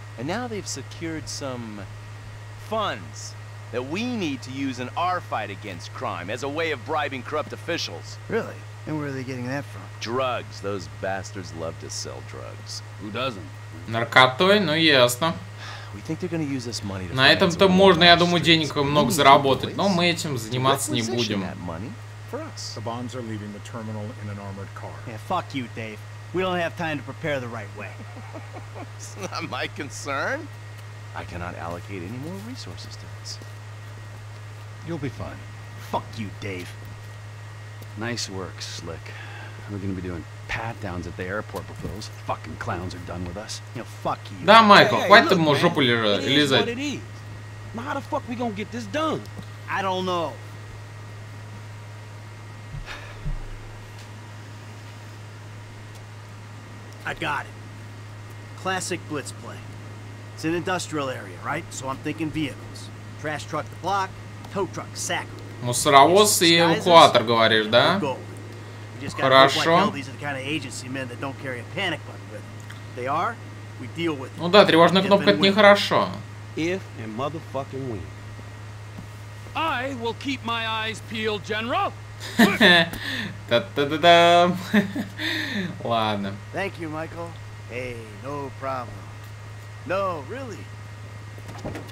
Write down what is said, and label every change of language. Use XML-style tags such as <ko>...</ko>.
<en>And now they've secured some funds that we need to use in our fight against crime as a way of bribing corrupt officials. Really? And where are they getting that from? Drugs. Those bastards love to sell drugs. Who doesn't?</en> <ru>Наркотой, ну ясно.</ru> <en>We think they're gonna use this money to</en> <ru>На этом-то можно, я думаю, денег много заработать, но мы этим заниматься не будем.</ru> <en>The bombs are leaving the terminal in an armored car. Yeah, fuck you, Dave. We don't have time to prepare the right way. It's not my concern. I cannot allocate any more resources to this. You'll be fine. Fuck you, Dave. Nice work, Slick. We're gonna be doing pat downs at the airport before those fucking clowns are done with us. You know, fuck you.</en> <ru>Да, Майкл, хватит ты мою жопу лизать.</ru> <en>Now how the fuck we gonna get this done? I don't know. I got it. Classic blitz play. It's an industrial area, right? So I'm thinking vehicles. Trash truck the block, tow truck sack.</en> <ru>Мусоровоз и эвакуатор, говоришь, да? Хорошо.</ru> <en>These are the kind of agency men that don't carry a panic button with them. They are. We deal with them.</en> <ru>Ну да, тревожная кнопка — это нехорошо.</ru> <en>If and motherfucking we. I will keep my eyes peeled, General.</en> <ru>Та-та-та-та. Ладно.</ru> <en>Thank you, Michael. Hey, no problem. No, really.</en>